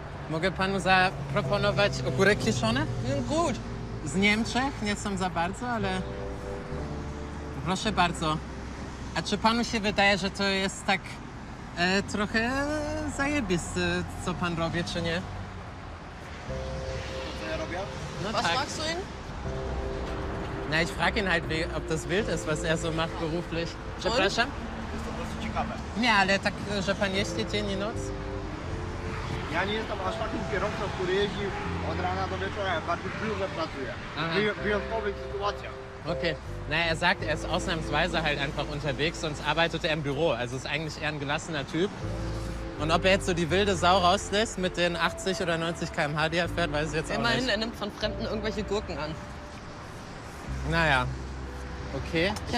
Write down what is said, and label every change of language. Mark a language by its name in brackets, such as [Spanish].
[Polish] Mogę panu zaproponować ogórek kiszone? [German] Gut. [Polish] Z Niemczech, nie są za bardzo, ale... Proszę bardzo. A czy panu się wydaje, że to jest tak trochę zajebiste, co pan robi, czy nie? Co ja robię? No [German] was [Polish] tak. [German] Fragst du ihn? Na, ich frage ihn halt, ob das wild ist, was er so macht beruflich. [Polish] Przepraszam? Jest to po prostu ciekawe. Nie, ale tak, że pan jeździ dzień i noc? Ja nie jestem aż takim kierowcą, który jeździ od rana do wieczora, bardzo dużo pracuje. Wyjątkowych sytuacjach. [English] Okay. [German] Naja, er sagt, er ist ausnahmsweise halt einfach unterwegs, sonst arbeitet er im Büro. Also ist eigentlich eher ein gelassener Typ. Und ob er jetzt so die wilde Sau rauslässt mit den 80 oder 90 km/h, die er fährt, weiß ich jetzt immerhin auch nicht. Immerhin, er nimmt von Fremden irgendwelche Gurken an. Naja, okay.